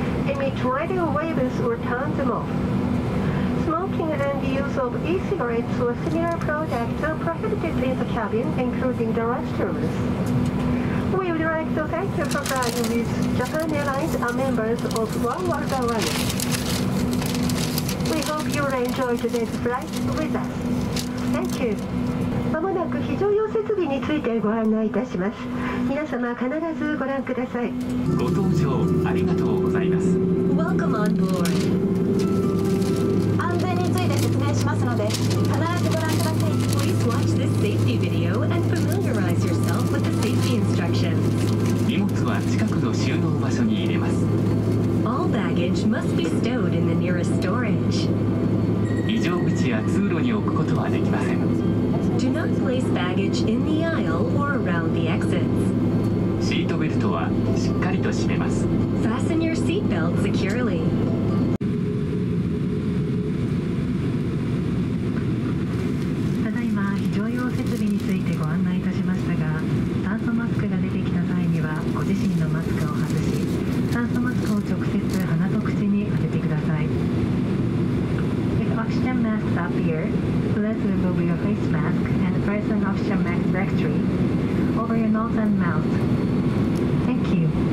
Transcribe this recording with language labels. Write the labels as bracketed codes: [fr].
[en] Emit radio waves or turn them off. Smoking and the use of e-cigarettes or similar products are prohibited in the cabin, including the restrooms. We would like to thank you for flying with Japan Airlines and members of Oneworld Airlines. We hope you'll enjoy today's flight with us. Thank you. [ja] まもなく非常用設備についてご案内いたします。皆様必ずご覧ください。ご搭乗ありがとうございます。 [en] Welcome on board. [ja] 安全について説明しますので必ずご覧ください。 [en] Please watch this safety video and familiarize yourself with the safety instructions. [ja] 荷物は近くの収納場所に入れます。 [en] All baggage must be stowed in the nearest storage. [ja] 非常口や通路に置くことはできません。 [en] Do not place baggage in the aisle or around the exits. [ja] シートベルトはしっかりと締めます。 [en] Fasten your seatbelt securely. [ja] ただいま非常用設備についてご案内いたしましたが、酸素マスクが出てきた際にはご自身のマスクを外し、酸素マスクを直接鼻と口に当ててください。 [en] Oxygen masks appear. Please remove your face mask and fasten oxygen mask directly over your nose and mouth. Thank you.